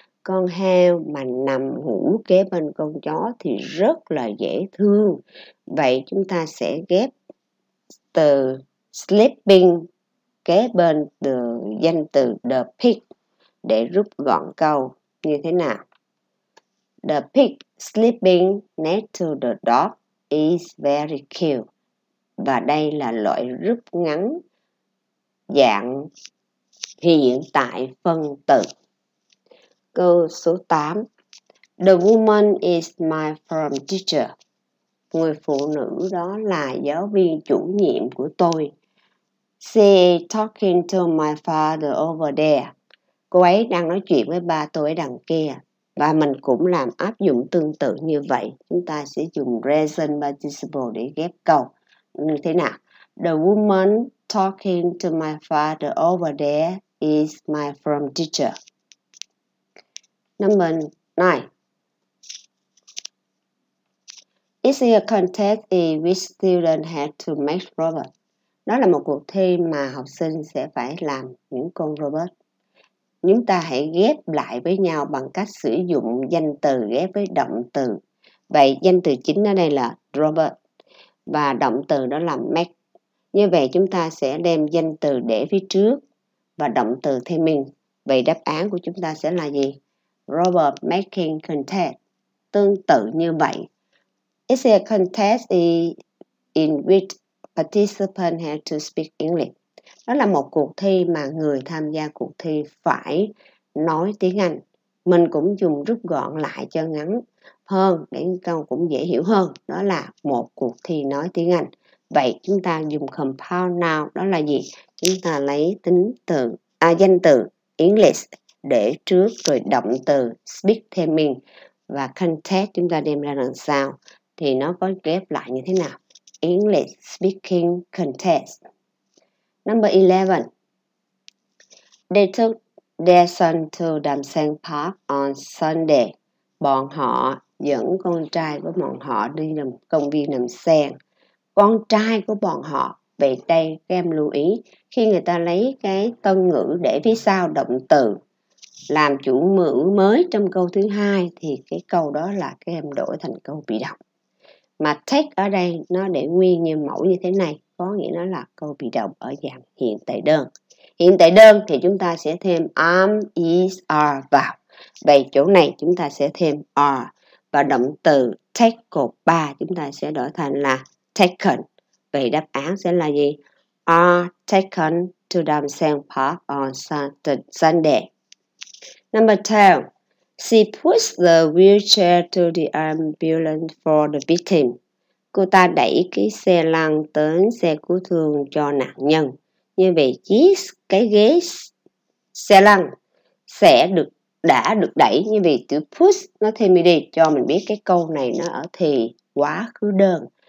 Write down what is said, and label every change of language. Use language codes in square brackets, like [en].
[vi] Con heo mà nằm ngủ kế bên con chó thì rất là dễ thương. Vậy chúng ta sẽ ghép từ sleeping kế bên từ danh từ the pig để rút gọn câu như thế nào? [en] The pig sleeping next to the dog is very cute. [vi] Và đây là loại rút ngắn dạng hiện tại phân từ. Câu số 8. [en] The woman is my form teacher. [vi] Người phụ nữ đó là giáo viên chủ nhiệm của tôi. [en] She is talking to my father over there. [vi] Cô ấy đang nói chuyện với ba tôi ở đằng kia. Và mình cũng làm áp dụng tương tự như vậy. Chúng ta sẽ dùng present participle để ghép câu. Như thế nào? [en] The woman talking to my father over there is my form teacher. Number 9. Is it a contest which student had to make robot? [vi] Đó là một cuộc thi mà học sinh sẽ phải làm những con robot. Chúng ta hãy ghép lại với nhau bằng cách sử dụng danh từ ghép với động từ. Vậy danh từ chính ở đây là robot và động từ đó là make. Như vậy chúng ta sẽ đem danh từ để phía trước và động từ thay mình. Vậy đáp án của chúng ta sẽ là gì? [en] Robert making contest. [vi] Tương tự như vậy. [en] It's a contest in which participant had to speak English. [vi] Đó là một cuộc thi mà người tham gia cuộc thi phải nói tiếng Anh. Mình cũng dùng rút gọn lại cho ngắn hơn để câu cũng dễ hiểu hơn. Đó là một cuộc thi nói tiếng Anh. Vậy chúng ta dùng compound noun. Đó là gì? Chúng ta lấy danh từ English để trước rồi động từ speak thêm in và context chúng ta đem ra đằng sau thì nó có ghép lại như thế nào? [en] English speaking context. Number 11. They took their son to Đàm Sen Park on Sunday. [vi] Bọn họ dẫn con trai của bọn họ đi làm công viên Đàm Sen. Con trai của bọn họ. Vậy đây các em lưu ý khi người ta lấy cái tân ngữ để phía sau động từ làm chủ ngữ mới trong câu thứ hai thì cái câu đó là các em đổi thành câu bị động. Mà take ở đây nó để nguyên như mẫu như thế này, có nghĩa nó là câu bị động ở dạng hiện tại đơn. Hiện tại đơn thì chúng ta sẽ thêm am, is, are vào. Vậy chỗ này chúng ta sẽ thêm are và động từ take cột 3 chúng ta sẽ đổi thành là taken. Vậy đáp án sẽ là gì? [en] Are taken to Đàm Sen Park on Sunday. Number 10. She puts the wheelchair to the ambulance for the victim. [vi] Cô ta đẩy cái xe lăn tới xe cứu thương cho nạn nhân. Như vậy chiếc cái ghế xe lăn đã được đẩy. Như vậy từ push nó thêm đi cho mình biết cái câu này nó ở thì quá khứ đơn.